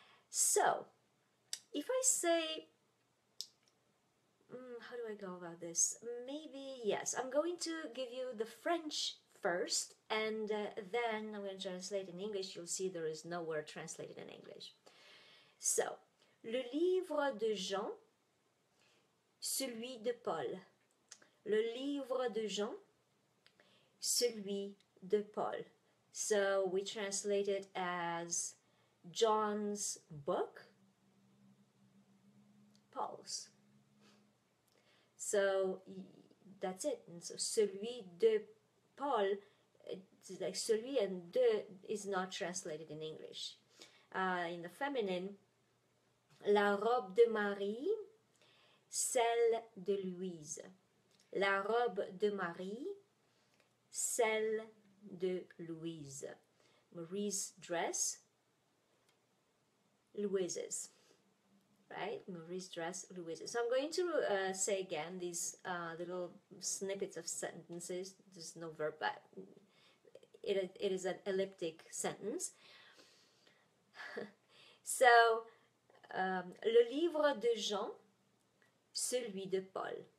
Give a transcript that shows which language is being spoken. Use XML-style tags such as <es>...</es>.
<en>So if I say, how do I go about this? Maybe, yes, I'm going to give you the French first, and then I'm going to translate in English. You'll see there is no word translated in English.</en> <fr>So, le livre de Jean, celui de Paul. Le livre de Jean, celui de Paul.</fr> <en>So, we translate it as John's book, Paul's. So that's it. And so</en> <fr>celui de Paul,</fr> <en>it's like celui and de is not translated in English. In the feminine,</en> <fr>la robe de Marie, celle de Louise. La robe de Marie, celle de Louise.</fr> <en>Marie's dress, Louise's. Right, Marie's dress, Louise's. So I'm going to say again these little snippets of sentences. There's no verb, but it is an elliptic sentence.</en> <fr>So, le livre de Jean, celui de Paul.</fr>